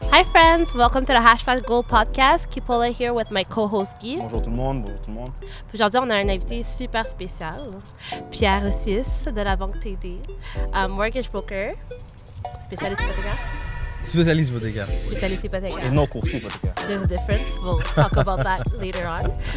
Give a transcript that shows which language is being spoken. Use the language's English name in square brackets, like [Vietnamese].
[English] Hi friends, welcome to the Hashtag Goal Podcast. Kipola here with my co-host Guy. [French] Bonjour tout le monde, bonjour tout le monde. Aujourd'hui, on a un invité super spécial, Pierre Sis de la Banque TD, [English] mortgage broker, [French] spécialiste hypothécaire. Spécialiste hypothécaire. Spécialiste hypothécaire. Et non courtier hypothécaire. [English] There's a difference, we'll talk about that later on.